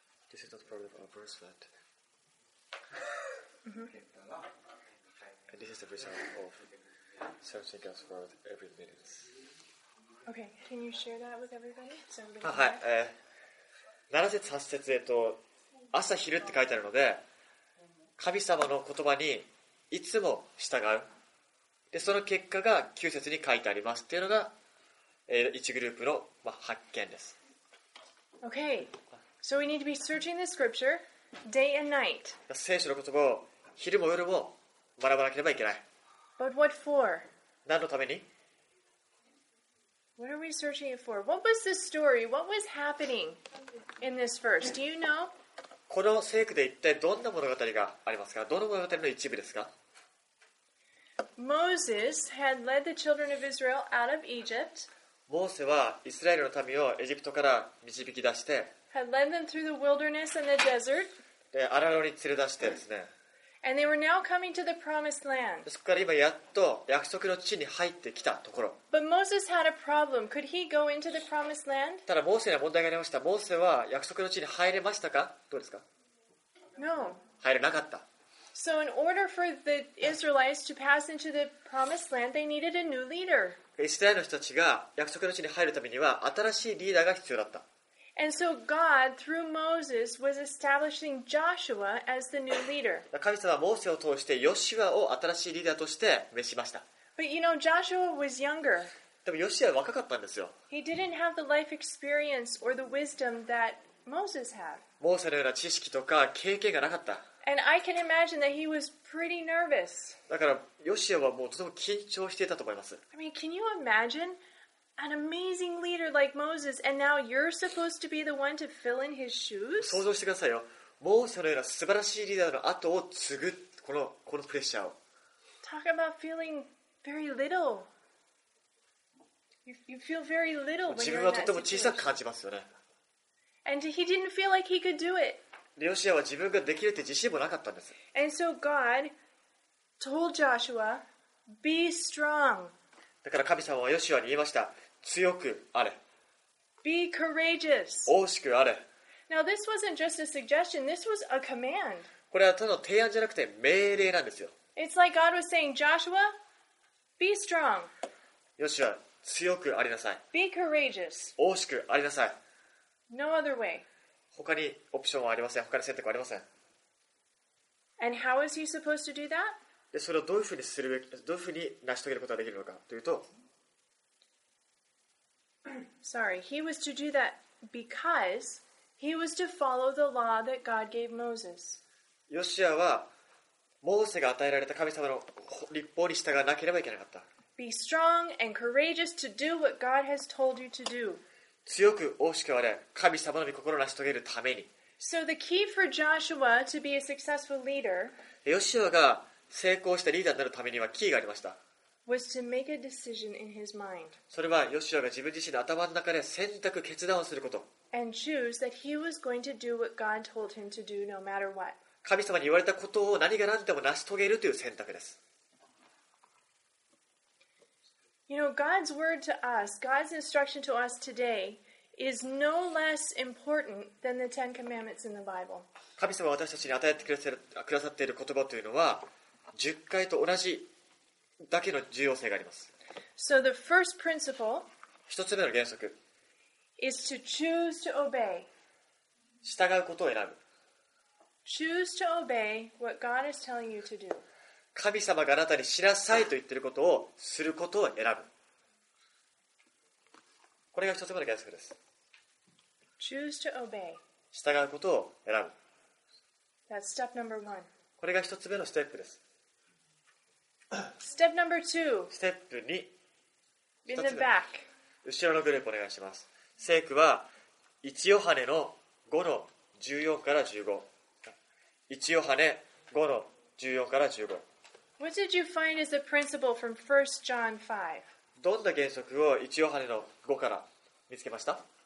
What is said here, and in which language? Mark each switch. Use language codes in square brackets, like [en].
[en] This is not part of our verse, but and this is the result of searching God's word every minute. Okay, can you share that with everybody? So everybody [ja] はい、7節8節、朝昼って書いてあるので神様の言葉にいつも従う、でその結果が9節に書いてありますっていうのが、1グループの、発見です。 [en] Okay, so we need to be searching the scripture day and night. [ja] 聖書の言葉を昼も夜も学ばなければいけない。 [en] But what for? [ja] 何のために？ [en] What are we searching it for? What was the story? What was happening in this verse? Do you know? [ja] この聖句で一体どんな物語がありますか？どの物語の一部ですか？ [en] Moses had led the children of Israel out of Egypt. [ja] モーセはイスラエルの民をエジプトから導き出して、 [en] had led them through the wilderness and the desert. [ja] で、荒野に連れ出してですね、 [en] And they were now coming to the promised land. [ja] そこから今やっと約束の地に入ってきたところ。 [en] But Moses had a problem. Could he go into the promised land? [ja] ただモーセには問題がありました。モーセは約束の地に入れましたか？どうですか？ [en] No. [ja] 入れなかった。 [en] So in order for the Israelites to pass into the promised land, they needed a new leader. [ja] イスラエルの人たちが約束の地に入るためには新しいリーダーが必要だった。 [en] And so God, through Moses, was establishing Joshua as the new leader. [ja] 神様はモーセを通してヨシュアを新しいリーダーとして召しました。 [en] But you know, Joshua was younger. [ja] でもヨシュアは若かったんですよ。 [en] He didn't have the life experience or the wisdom that Moses had. [ja] モーセのような知識とか経験がなかった。 [en] And I can imagine that he was pretty nervous. [ja] だからヨシュアはもうとても緊張していたと思います。 [en] I mean, can you imagine? An amazing leader like Moses, and now you're supposed to be the one to fill in his shoes? [ja] 想像してくださいよ。モーセのような素晴らしいリーダーの後を継ぐ、このプレッシャーを。 [en] Talk about feeling very little. You feel very little when you're in that situation. [ja] 自分はとても小さく感じますよね。 [en] And he didn't feel like he could do it. [ja] ヨシュアは自分ができるって自信もなかったんです。 [en] And so God told Joshua, be strong. [ja] だから神様はヨシュアに言いました。強くあれ。 [en] Be courageous. [ja] 大きくあれ。 [en] Now this wasn't just a suggestion, this was a command. [ja] これはただの提案じゃなくて命令なんですよ。 [en] It's like God was saying, Joshua, be strong. [ja] ヨシュア、強くありなさい。 [en] Be courageous. [ja] 大きくありなさい。 [en] No other way. [ja] 他にオプションはありません。他に選択はありません。 [en] And how is he supposed to do that? [ja] でそれをどういうふうにするべき、どういうふうに成し遂げることができるのかというと、 [en] Sorry, he was to do that because he was to follow the law that God gave Moses. [ja] ヨシアはモーセが与えられた神様の律法に従わなければいけなかった。 [en] Be strong and courageous to do what God has told you to do. [ja] 強く大きくあれ、神様の御心を成し遂げるために。 [en] So the key for Joshua to be a successful leader. [ja] ヨシアが成功したリーダーになるためにはキーがありました。 [en] Was to make a decision in his mind. [ja] それはヨシュアが自分自身の頭の中で選択決断をすること。 [en] And choose that he was going to do what God told him to do no matter what. [ja] 神様に言われたことを何が何でも成し遂げるという選択です。 [en] You know, God's word to us, God's instruction to us today is no less important than the Ten Commandments in the Bible. [ja] 神様が私たちに与えてくださっている言葉というのは10回と同じだけの重要性があります。 [en] So、the first principle [ja] 一つ目の原則 [en] is to choose to obey. [ja] 従うことを選ぶ。 [en] Choose to obey what God is telling you to do. [ja] 神様があなたにしなさいと言っていることをすることを選ぶ。これが一つ目の原則です。 [en] Choose to obey. [ja] 従うことを選ぶ。 [en] That's step number one. [ja] これが一つ目のステップです。 [en] Step number two. [ja] ステップ2。 [en] In the back. [ja] 後ろのグループお願いします。聖句は1ヨハネの5の14から15。 1ヨハネ5の14から15。 [en] What did you find as a principle from 1 John 5? [ja] どんな原則を1ヨハネの5から見つけました？